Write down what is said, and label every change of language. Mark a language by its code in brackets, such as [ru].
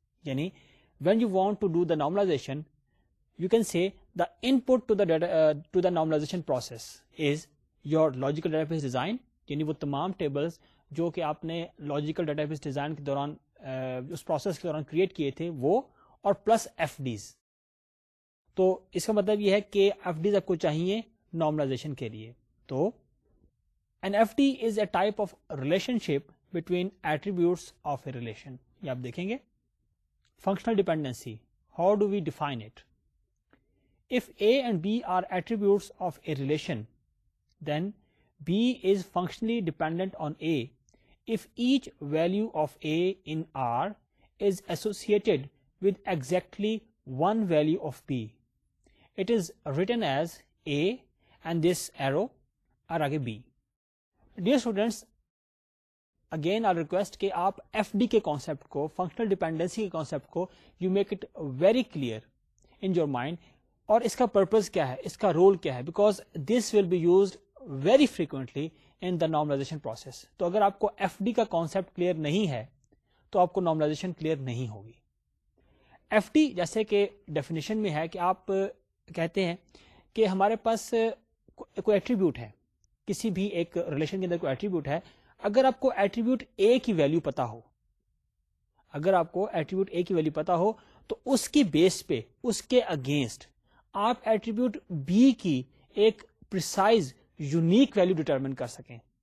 [en] یعنی when you want to do the normalization, you can say the input to the data, to the normalization process is your logical database design. [ur] یعنی وہ تمام tables جو کہ آپ نے logical database design کے دوران اس پروسیس کے دوران کریٹ کیے تھے، وہ اور پلس ایف ڈیز. تو اس کا مطلب یہ ہے کہ ایف ڈیز آپ کو چاہیے نارملائزیشن کے لیے. [en] تو an F D is a type of relationship between attributes of a relation. [ur] یہ آپ دیکھیں گے. [en] Functional dependency, how do we define it? If A and B are attributes of a relation, then B is functionally dependent on A if each value of A in R is associated with exactly one value of B. It is written as A and this arrow are aage B. Dear students, again I request [ur] ke aap FD ke concept ko, [en] functional dependency ke concept ko, you make it very clear in your mind. [ur] Aur iska purpose kya hai, [en] iska role kya hai, because this will be used very frequently in the normalization process. [ur] تو اگر آپ کو F D کا concept clear نہیں ہے تو آپ کو نارملائزیشن کلیئر نہیں ہوگی. ایف ڈی جیسے کہ ڈیفینیشن میں ہے کہ آپ کہتے ہیں کہ ہمارے پاس کوئی ایٹریبیوٹ ہے، کسی بھی ایک ریلیشن کے اندر کوئی ایٹریبیوٹ ہے. اگر آپ کو ایٹریبیوٹ اے کی ویلو پتا ہو، اگر آپ کو ایٹریبیوٹ اے کی ویلو پتا ہو تو اس کی بیس پہ، اس کے اگینسٹ آپ ایٹریبیوٹ بی کی ایک پریسائز یونیک ویلیو ڈیٹرمن کر سکیں.